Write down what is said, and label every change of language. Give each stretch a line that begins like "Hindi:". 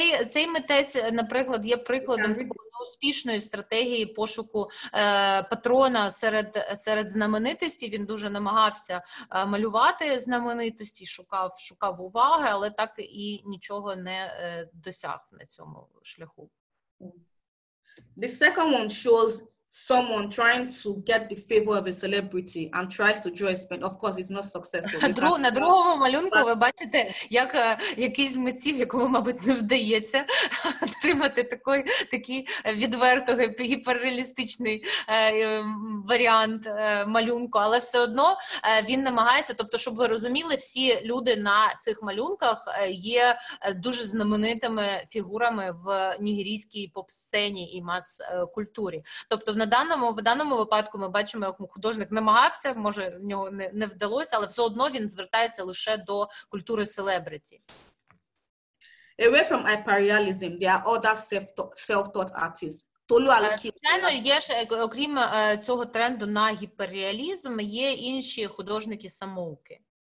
Ukrainian: Цей митець, наприклад, є прикладом успішної стратегії пошуку патрона серед знаменитості. Він дуже намагався малювати знаменитості, шукав уваги, але так і нічого не досяг на цьому шляху.
English: The second one shows someone trying to get the favor of a celebrity and tries to draw a spin. Of course, it's not successful.
Ukrainian: На другому малюнку ви бачите, як якийсь митців, якому, мабуть, не вдається отримати такий відверто гіперреалістичний варіант малюнку. Але все одно він намагається, тобто, щоб ви розуміли, всі люди на цих малюнках є дуже знаменитими фігурами в нігерійській поп-сцені і мас-культурі. Тобто, в даному випадку ми бачимо, як художник намагався, може, в нього не вдалося, але все одно він звертається лише до культури селебриті.
English: Away from hyperrealism, there are other self-taught artists.
Ukrainian: Звичайно, є ж, окрім цього тренду на гіперреалізм, є інші художники-самоуки.